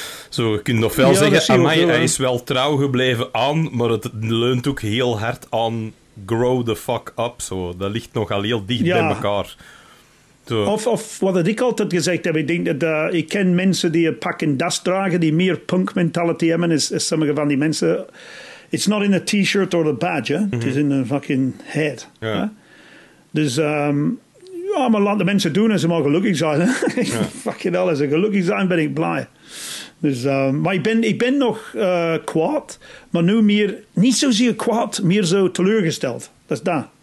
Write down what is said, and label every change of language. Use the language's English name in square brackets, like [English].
[Dutch] Zo, je kunt nog wel zeggen, amai, hij is wel trouw gebleven aan, maar het leunt ook heel hard aan [English] grow the fuck up. [Dutch] Zo. Dat ligt nogal heel dicht bij elkaar. Zo. Of wat ik altijd gezegd heb, ik denk dat ik ken mensen die een pak en das dragen, die meer punk mentality hebben, is sommige van die mensen... [English] It's not in a t-shirt or a badge, eh? It is in a fucking head. Yeah. [Dutch] Eh? Dus, maar laat de mensen doen als ze maar gelukkig zijn. [English] Fucking hell, [Dutch] als ze gelukkig zijn, ben ik blij. Dus, maar ik ben nog kwaad, maar nu meer, niet zozeer kwaad, meer zo teleurgesteld. Dat is dat.